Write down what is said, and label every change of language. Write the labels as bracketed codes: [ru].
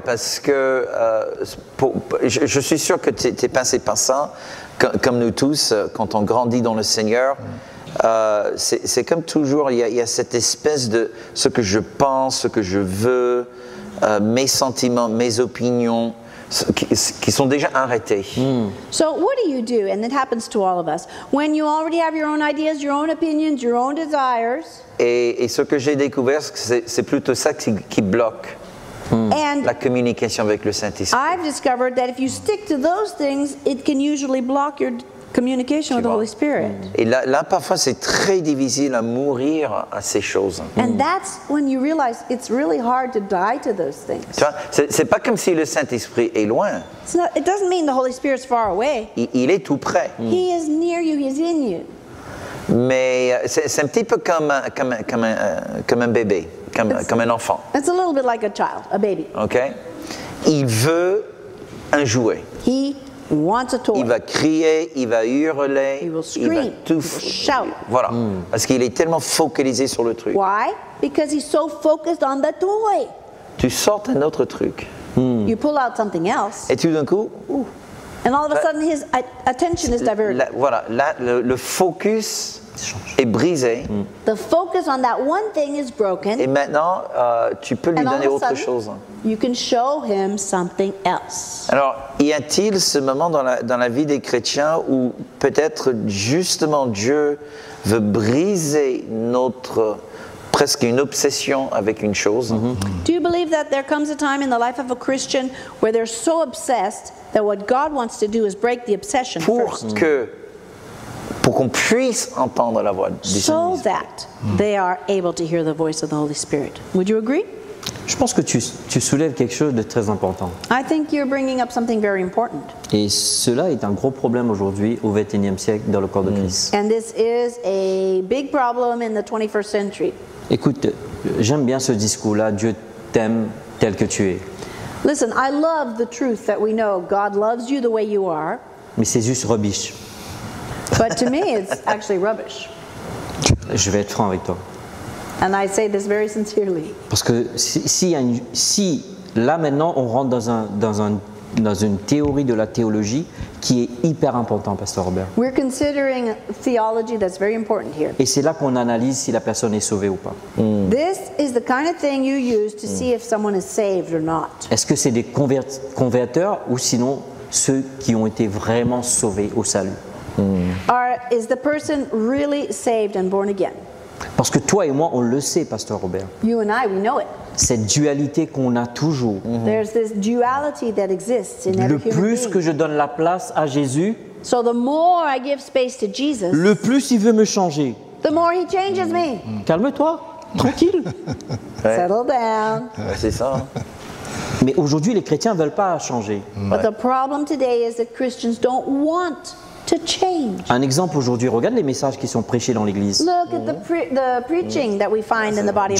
[fr] Parce que je suis sûr que tu es passé par ça, comme nous tous, quand on grandit dans le Seigneur. C'est comme toujours, il y a cette espèce de ce que je pense, ce que je veux, mes sentiments, mes opinions, qui sont déjà arrêtés. [en] So what do you do, and it happens to all of us, when you already have your own ideas, your own opinions, your own desires? [fr] Et ce que j'ai découvert, c'est plutôt ça qui bloque la communication avec le Saint-Esprit. [en] I've discovered that if you stick to those things, it can usually block your communication with the Holy Spirit. [fr] Et là, parfois, c'est très difficile à mourir à ces choses. [en] And that's when you realize it's really hard to die to those things. [fr] Tu vois, c'est pas comme si le Saint-Esprit est loin. [en] It doesn't mean the Holy Spirit's far away. [fr] Il est tout près. [en] He is near you, he's in you. [fr] Mais c'est un petit peu comme un bébé, comme un enfant. [en] It's a little bit like a child, a baby. [fr] Okay. Il veut un jouet. [en] He wants a toy. [fr] Il va crier, il va hurler, [en] he will scream, [fr] il va tout [en] shout. [fr] Voilà. Parce qu'il est tellement focalisé sur le truc. [en] Why? Because he's so focused on the toy. [fr] Tu sors un autre truc. [en] You pull out something else. [fr] Et tout d'un coup, [en] and all of a sudden his attention is diverted. [fr] Le focus est brisé. [en] The focus on that one thing is broken. [fr] Et maintenant, tu peux lui donner autre chose. [en] You can show him something else. [fr] Alors, y a-t-il ce moment dans la vie des chrétiens où peut-être justement Dieu veut briser notre presque une obsession avec une chose? [en] Do you believe that there comes a time in the life of a Christian where they're so obsessed that what God wants to do is break the obsession first? [fr] Pour qu'on puisse entendre la voix du Saint-Esprit. [en] So that they are able to hear the voice of the Holy Spirit. Would you agree? [fr] Je pense que tu soulèves quelque chose de très important. [en] I think you're bringing up something very important. [fr] Et cela est un gros problème aujourd'hui au 21e siècle dans le corps de Christ. [en] And this is a big problem in the 21st century. [fr] Écoute, j'aime bien ce discours-là, Dieu t'aime tel que tu es. [en] Listen, I love the truth that we know God loves you the way you are. [fr] Mais c'est juste rubbish. [en] But to me, it's actually rubbish. [fr] Je vais être franc avec toi. [en] And I say this very sincerely. [fr] Parce que si là maintenant on rentre dans une théorie de la théologie qui est hyper important, Pasteur Robert. [en] We're considering theology that's very important here. [fr] Et c'est là qu'on analyse si la personne est sauvée ou pas. [en] This is the kind of thing you use to see if someone is saved or not. [fr] Est-ce que c'est des converteurs ou sinon ceux qui ont été vraiment sauvés au salut? [en] Or is the person really saved and born again? [fr] Parce que toi et moi, on le sait, Pasteur Robert. [en] You and I, we know it. [fr] Cette dualité qu'on a toujours. [en] There's this duality that exists in every human being. [fr] Le plus que je donne la place à Jésus, [en] so the more I give space to Jesus, [fr] le plus il veut me changer. [en] The more he changes me. [fr] Calme-toi, tranquille. [en] Settle down. [fr] C'est ça. Mais aujourd'hui, les chrétiens ne veulent pas changer. [en] But the problem today is that Christians don't want to change. [fr] Un exemple aujourd'hui, regarde les messages qui sont prêchés dans l'église. [en] Look at the preaching that we find in the body of